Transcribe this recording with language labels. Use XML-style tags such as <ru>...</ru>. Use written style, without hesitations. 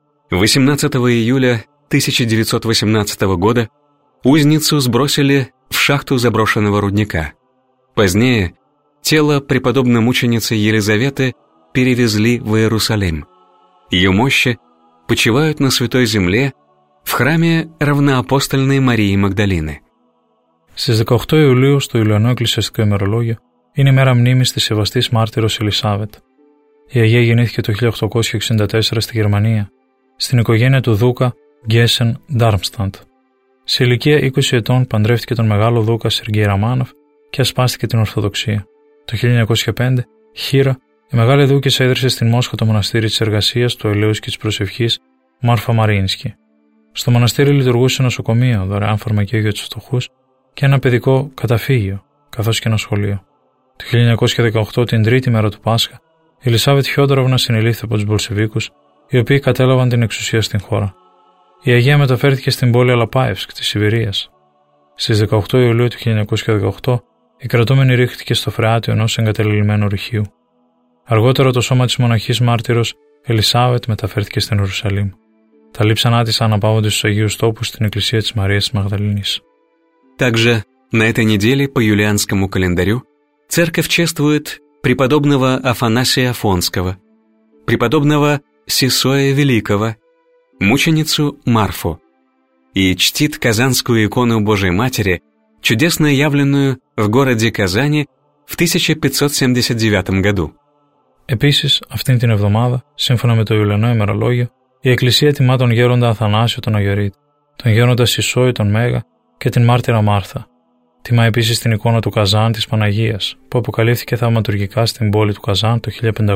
<ru>18 июля 1918 года узницу сбросили в шахту заброшенного рудника. Позднее тело преподобной мученицы Елизаветы перевезли в Иерусалим. Ее мощи почивают на святой земле в храме равноапостольной Марии Магдалины.</ru> <el>Στις 18 Ιουλίου στο Ιουλιανό Εκκλησιαστικό ημερολόγιο είναι η μέρα μνήμης της σεβαστής μάρτυρος Ελισάβετ. Η Αγία γεννήθηκε το 1864 στη Γερμανία, στην οικογένεια του Δούκα Γκέσεν Ντάρμσταντ. Σε ηλικία 20 ετών παντρεύτηκε τον μεγάλο Δούκα Σεργέι Ραμάνοφ και ασπάστηκε την Ορθοδοξία. Το 1905, Χίρα, η μεγάλη Δούκησα έδρασε στην Μόσχα το μοναστήρι της εργασίας, του ελαίου και της προσευχής Μάρφα Μαρίνσκι. Στο μοναστήρι λειτουργούσε νοσοκομείο, δωρεάν φαρμακείο για τους φτωχούς και ένα παιδικό καταφύγιο, καθώς και ένα σχολείο. Το 1918, την τρίτη μέρα του Πάσχα, η Ελισάβετ Φιόντοροβνα συνελήφθη από τους Μπολσεβίκους, οι οποίοι κατέλαβαν την εξουσία στην χώρα. Η Αγία μεταφέρθηκε στην πόλη Αλαπάευσκ της Σιβηρίας. Στις 18 Ιουλίου του 1918, η κρατούμενη ρίχτηκε στο φρεάτιο ενός εγκαταλελειμμένου ρηχείου. Αργότερα το σώμα της μοναχής μάρτυρος Ελισάβετ μεταφέρθηκε στην Ιερουσαλήμ. Τα λείψανά της αναπαύονται στους Αγίους Τόπους στην Εκκλησία της Μαρίας της Μαγδαληνής.</el> <ru>Также на этой неделе по юлианскому календарю церковь чествует преподобного Афанасия Афонского, преподобного Сесоя Великого, мученицу Марфу и чтит Казанскую икону Божией Матери, чудесно явленную в городе Казани в 1579 году.</ru> <el>Επίσης, αυτήν την εβδομάδα, σύμφωνα με το Ιουλιανό ημερολόγιο, Η Εκκλησία τιμά τον Γέροντα Αθανάσιο τον Αγιορείτη, τον Γέροντα Σισόη τον Μέγα και την Μάρτυρα Μάρθα. Τιμά επίσης την εικόνα του Καζάν της Παναγίας, που αποκαλύφθηκε θαυματουργικά στην πόλη του Καζάν το 1579.</el>